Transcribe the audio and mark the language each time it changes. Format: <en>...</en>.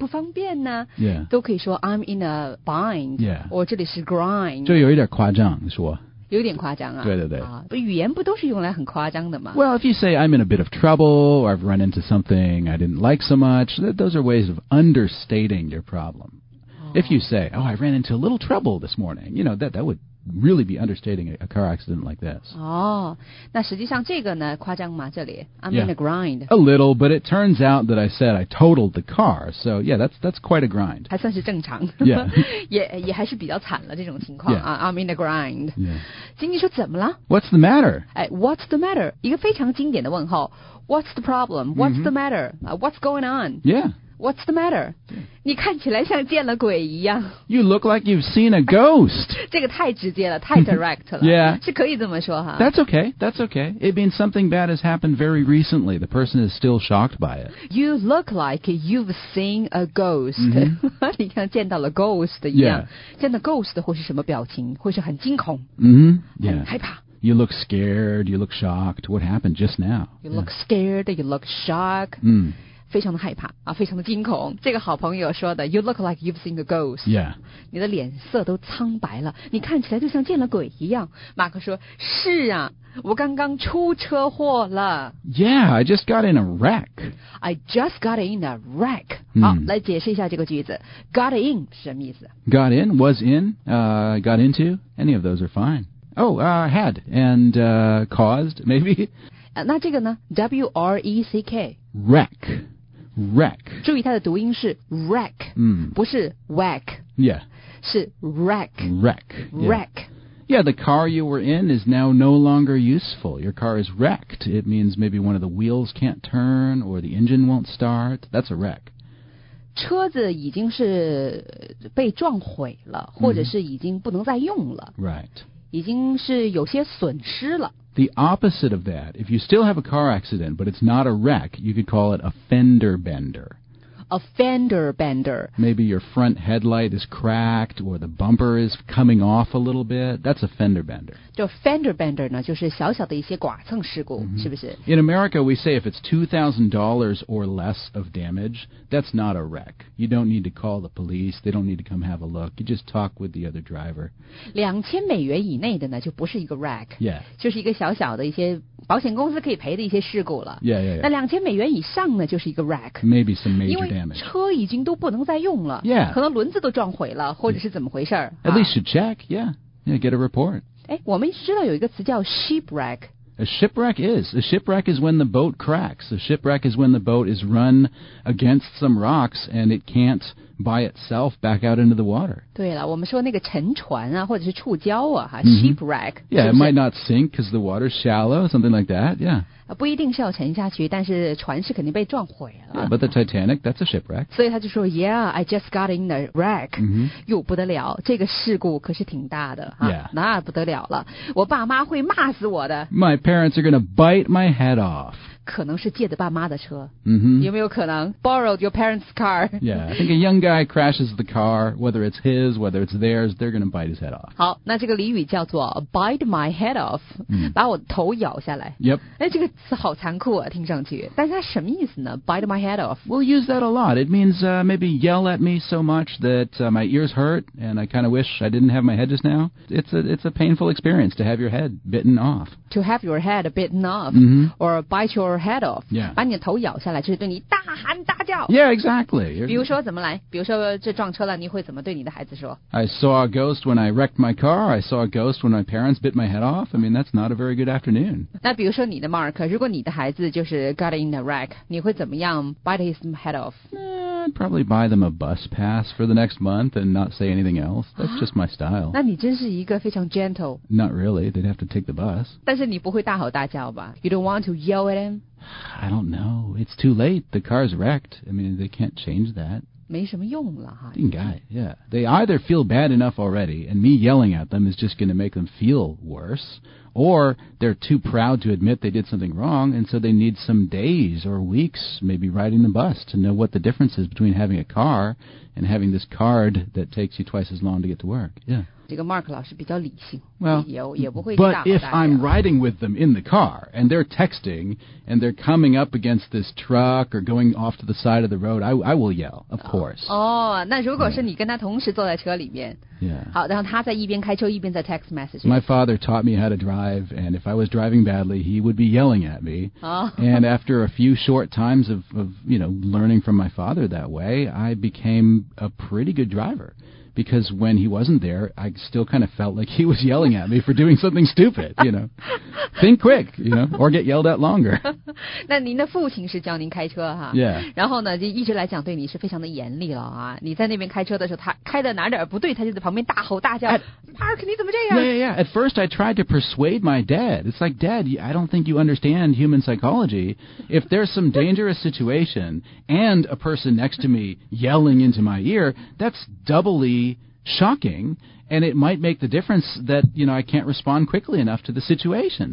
<zh>哦，那些都是一些对你来讲呢不太有利的一些情况，是不太有利的情况。就是说我现在是前后矛盾啊，我有点尴尬呀，我有点不方便呢，都可以说</zh> <en>I'm in a bind. Yeah.</en> <zh>我这里是grind。就有一点夸张，你说。有点夸张啊，对对对，语言不都是用来很夸张的吗？</zh> <en>Well, if you say I'm in a bit of trouble or I've run into something I didn't like so much, those are ways of understating your problem. If you say, oh, I ran into a little trouble this morning, you know, that would really be understating a car accident like this.</en> <zh>哦，那实际上这个呢，夸张吗？这里</zh> <en>I'm in a grind. A little, but it turns out that I said I totaled the car, so yeah, that's quite a grind.</en> <zh>还算是正常。</zh> <en>Yeah.</en> <zh>也还是比较惨了这种情况啊。</zh> <en>I'm in a grind.</en> <zh>经理说怎么了？</zh> <en>What's the matter? 哎 ，What's the matter?</en> <zh>一个非常经典的问候。</zh> <en>What's the problem? What's the matter? What's going on? Yeah. What's the matter?</en> <zh>你看起来像见了鬼一样。</zh> <en>You look like you've seen a ghost.</en> <zh>这个太直接了，太 direct 了。</zh> <en>Yeah.</en> <zh>是可以这么说哈。</zh> <en>That's okay, that's okay. It means something bad has happened very recently. The person is still shocked by it. You look like you've seen a ghost.</en> <zh>你像见到了 ghost 一样。见到 ghost 会是什么表情？会是很惊恐。很害怕。</zh> <en>You look scared, you look shocked. What happened just now? You look scared, you look shocked.</en> <zh>非常的害怕啊，非常的惊恐。这个好朋友说的 ，</zh> <en>You look like you've seen a ghost. Yeah.</en> <zh>你的脸色都苍白了，你看起来就像见了鬼一样。马克说，是啊，我刚刚出车祸了。</zh> <en>Yeah, I just got in a wreck. I just got in a wreck.</en> <zh>好，来解释一下这个句子 ，got in 是什么意思</zh> <en>？Got in, was in, got into, any of those are fine. Oh, had and caused, maybe.</en> <zh>那这个呢 ？WRECK.</zh> <en>Wreck. Wreck.</en> <zh>注意它的读音是 wreck, 不是 whack.</zh> <en>Yeah.</en> <zh>是 wreck.</zh> <en>Wreck. Wreck. Yeah, the car you were in is now no longer useful. Your car is wrecked. It means maybe one of the wheels can't turn or the engine won't start. That's a wreck.</en> <zh>车子已经是被撞毁了，或者是已经不能再用了。</zh> <en>Right.</en> <zh>已经是有些损失了。</zh> <en>The opposite of that, if you still have a car accident, but it's not a wreck, you could call it a fender bender. A fender bender. Maybe your front headlight is cracked, or the bumper is coming off a little bit. That's a fender bender.</en> <zh>就 fender bender 呢，就是小小的一些剐蹭事故，是不是？</zh> <en>In America, we say if it's $2,000 or less of damage, that's not a wreck. You don't need to call the police. They don't need to come have a look. You just talk with the other driver.</en> <zh>2,000美元以内的呢，就不是一个 wreck.</zh> <en>Yeah.</en> <zh>就是一个小小的一些保险公司可以赔的一些事故了。</zh> <en>Yeah, yeah, yeah.</en> <zh>那2,000美元以上呢，就是一个 wreck.</zh> <en>Maybe some major.</en> <zh>车已经都不能再用了</zh> <en>yeah.</en> <zh>可能轮子都撞毁了或者是怎么回事</zh> <en>At least you check, yeah. Yeah, get a report.</en> <zh>我们知道有一个词叫 shipwreck.</zh> <en>A shipwreck is. A shipwreck is when the boat cracks. A shipwreck is when the boat is run against some rocks and it can't by itself back out into the water.</en> <zh>对了我们说那个沉船啊或者是触礁啊、shipwreck.</zh> <en>Yeah,</en> <zh>是不是?</zh> <en>It might not sink because the water's shallow, something like that, yeah.</en> <zh>不一定是要沉下去但是船是肯定被撞毁了</zh> <en>yeah, But the Titanic, that's a shipwreck</en> <zh>所以他就说</zh> <en>Yeah, I just got in a wreck、</en> <zh>哟不得了这个事故可是挺大的、</zh> <en>yeah.</en> <zh>那不得了了我爸妈会骂死我的</zh> <en>My parents are gonna bite my head off</en> <zh>可能是借的爸妈的车、 mm-hmm. 有没有可能</zh> <en>Borrowed your parents' car Yeah, I think a young guy crashes the car Whether it's his, whether it's theirs They're gonna bite his head off</en> <zh>好那这个俚语叫做</zh> <en>Bite my head off、</en> <zh>把我头咬下来</zh> <en>Yep</en> <zh>这个是好残酷啊听上去但是它什么意思呢</zh> <en>bite my head off we'll use that a lot it means maybe yell at me so much that my ears hurt and I kind of wish I didn't have my head just now it's a painful experience to have your head bitten off to have your head bitten off、or bite your head off、 yeah.</en> <zh>把你的头咬下来就是对你大喊大叫</zh> <en>yeah exactly、</en> <zh>比如说怎么来比如说这撞车了你会怎么对你的孩子说</zh> <en>I saw a ghost when I wrecked my car I saw a ghost when my parents bit my head off I mean that's not a very good afternoon</en> <zh>那比如说你的 Mark如果你的孩子就是</zh> <en>got in a wreck,</en> <zh>你会怎么样</zh> <en>bite his head off? I'd probably buy them a bus pass for the next month and not say anything else. That's just my style.</en> <zh>那你真是一个非常 gentle.</zh> <en>Not really. They'd have to take the bus.</en> <zh>但是你不会大吼大叫吧?</zh> <en>You don't want to yell at him? I don't know. It's too late. The car's wrecked. I mean, they can't change that.</en> <zh>没什么用了哈。应该 ，yeah.</zh> <en>They either feel bad enough already, and me yelling at them is just going to make them feel worse, or they're too proud to admit they did something wrong, and so they need some days or weeks, maybe riding the bus, to know what the difference is between having a car and having this card that takes you twice as long to get to work. Yeah.</en> <zh>这个 Mark 老师比较理性。</zh> <en>Well,</en> <zh>也不会大吼大</zh> <en>But if I'm riding with them in the car and they're texting and they're coming up against this truck or going off to the side of the road, I will yell, of course.</en> <zh>那如果是你跟他同时坐在车里面</zh> <en>，Yeah，</en> <zh>好，然后他在一边开车一边在 text message.</zh> <en>My father taught me how to drive, and if I was driving badly, he would be yelling at me. And after a few short times of you know learning from my father that way, I became a pretty good driver because when he wasn't there, I still kind of felt like he was yelling. at me for doing something stupid, you know. Think quick, you know, or get yelled at longer.</en> <zh>那您的父亲是教您开车哈</zh> <en>？Yeah.</en> <zh>然后呢，就一直来讲对你是非常的严厉了啊。你在那边开车的时候，他开的哪点不对，他就在旁边大吼大叫。 Mark, 你怎么这样</zh> <en>？Yeah, yeah, yeah. At first, I tried to persuade my dad. It's like, Dad, I don't think you understand human psychology. If there's some dangerous situation and a person next to me yelling into my ear, that's doubly shocking. And it might make the difference that, you know, I can't respond quickly enough to the situation.</en>